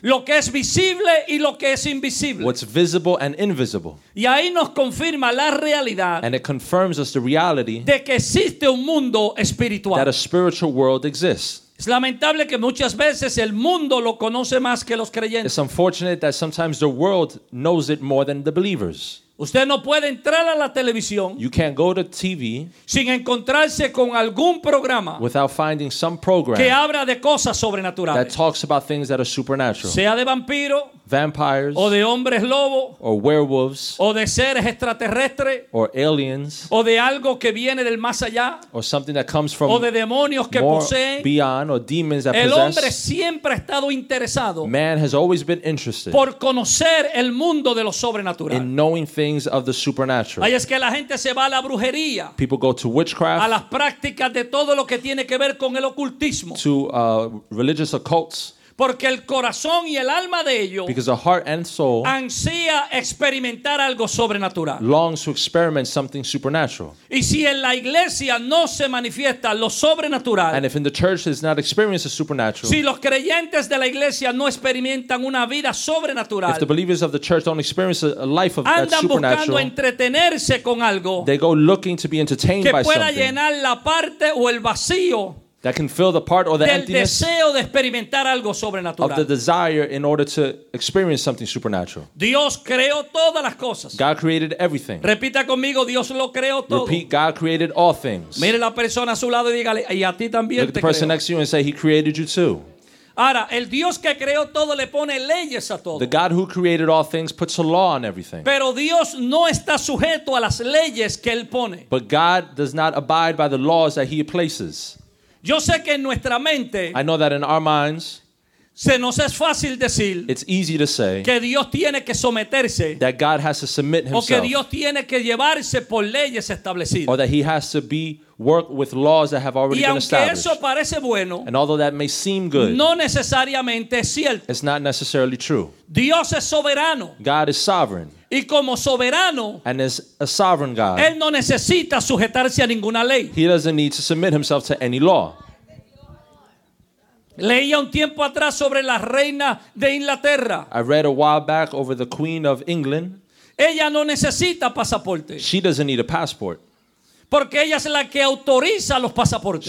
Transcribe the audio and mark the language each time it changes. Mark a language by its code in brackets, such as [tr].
[es] Lo que es visible y lo que es invisible. [en] What's visible and invisible. [es] Y ahí nos confirma la realidad. [en] And it confirms us the reality. [es] De que existe un mundo espiritual. [en] That a spiritual world exists. [es] Es lamentable que muchas veces el mundo lo conoce más que los creyentes. [en] It's unfortunate that sometimes the world knows it more than the believers. [es] Usted no puede entrar a la televisión. [en] You can't go to TV. [es] Sin encontrarse con algún programa. [en] Without finding some program. [es] Que habla de cosas sobrenaturales. [en] That talks about things that are supernatural. [es] Sea de vampiro. [en] Vampires. [es] O de hombres lobo. [en] Or werewolves. [es] O de seres extraterrestres. [en] Or aliens. [es] O de algo que viene del más allá. [en] Or something that comes from. [es] O de demonios que posee. [en] Beyond or demons that [es] el [en] possess. [es] El hombre siempre ha estado interesado. [en] Man has always been interested. [es] Por conocer el mundo de lo sobrenatural. [en] In knowing things of the supernatural. [es] Ahí es que la gente se va a la brujería. [en] People go to witchcraft. [es] A las prácticas de todo lo que tiene que ver con el ocultismo. [en] To religious occults. [es] Porque el corazón y el alma de ellos, [en] because the heart and soul, [es] ansía experimentar algo sobrenatural, [en] longs to experiment something supernatural. [es] Y si en la iglesia no se manifiesta lo sobrenatural, [en] and if in the church is not experienced the supernatural, [es] si los creyentes de la iglesia no experimentan una vida sobrenatural, [en] if the believers of the church don't experience a life of that supernatural, [es] andan buscando entretenerse con algo, [en] they go looking to be entertained by something, [es] que pueda llenar la parte o el vacío, [en] that can fill the part or the [es] del [en] emptiness [es] deseo de experimentar algo sobrenatural, [en] of the desire in order to experience something supernatural. [es] Dios creó todas las cosas. [en] God created everything. [es] Repita conmigo, Dios lo creó todo. [en] Repeat, God created all things. [es] Mire la persona a su lado y dígale, y a ti también. [en] Look at the person [es] creo [en] next to you and say, he created you too. [es] Ahora, el Dios que creó todo le pone leyes a todo. [en] The God who created all things puts a law on everything. [es] Pero Dios no está sujeto a las leyes que él pone. [en] But God does not abide by the laws that he places. [es] Yo sé que en nuestra mente, [en] I know that in our minds, [es] se nos es fácil decir, [en] it's easy to say, [es] que Dios tiene que someterse, [en] that God has to submit himself, [es] o que Dios tiene que llevarse por leyes establecidas, [en] or that he has to be work with laws that have already [es] y [en] been established. [es] Eso parece bueno, [en] and although that may seem good, [es] no necesariamente es cierto. [en] It's not necessarily true. [es] Dios es soberano. [en] God is sovereign. [es] Y como soberano, [en] and is a sovereign God. [es] Él no necesita sujetarse a ninguna ley. [en] He doesn't need to submit himself to any law. [es] Leía un tiempo atrás sobre la reina de Inglaterra. [en] I read a while back over the Queen of England. [es] Ella no necesita pasaporte. [en] She doesn't need a passport. [es] Porque ella es la que autoriza los pasaportes.